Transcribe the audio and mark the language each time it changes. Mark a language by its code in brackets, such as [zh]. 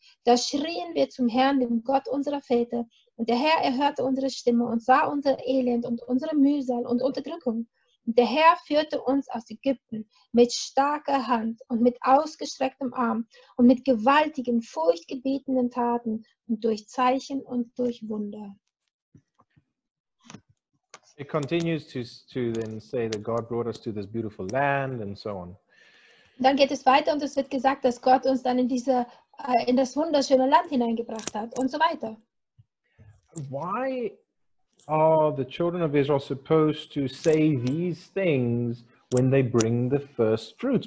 [de] Da schrien wir zum Herrn, dem Gott unserer Väter, und der Herr erhörte unsere Stimme und sah unser Elend und unsere Mühsal und Unterdrückung. Und der Herr führte uns aus Ägypten mit starker Hand und mit ausgestrecktem Arm und mit gewaltigen, furchtgebietenden Taten und durch Zeichen und durch Wunder. [en] It continues to then say that God brought us to this beautiful land and so on. [de] Dann geht es weiter und es wird gesagt, dass Gott uns dann in das wunderschöne Land hineingebracht hat und so weiter. [en] Why are the children of Israel supposed to say these things when they bring the first fruits?